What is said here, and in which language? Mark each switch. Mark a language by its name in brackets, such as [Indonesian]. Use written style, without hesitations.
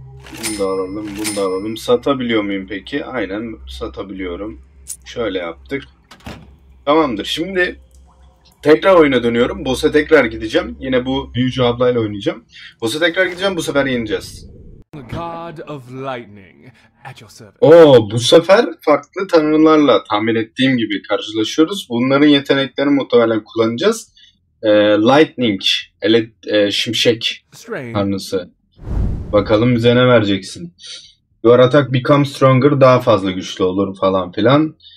[Turkish] Bunu da alalım, bunu da alalım. Satabiliyor muyum peki? Aynen, satabiliyorum. Şöyle yaptık. Tamamdır. Şimdi tekrar oyuna dönüyorum. Boss'a tekrar gideceğim. Yine bu büyücü ablayla oynayacağım. Boss'a tekrar gideceğim. Bu sefer yeneceğiz. [English] God of Lightning at your service. [Turkish] Oo, bu sefer farklı tanrılarla tahmin ettiğim gibi karşılaşıyoruz. Bunların yeteneklerini muhtemelen kullanacağız. Lightning, şimşek [English] Strange. [Turkish] tanrısı. Bakalım bize ne vereceksin. Your attack become stronger, daha fazla güçlü olur falan filan.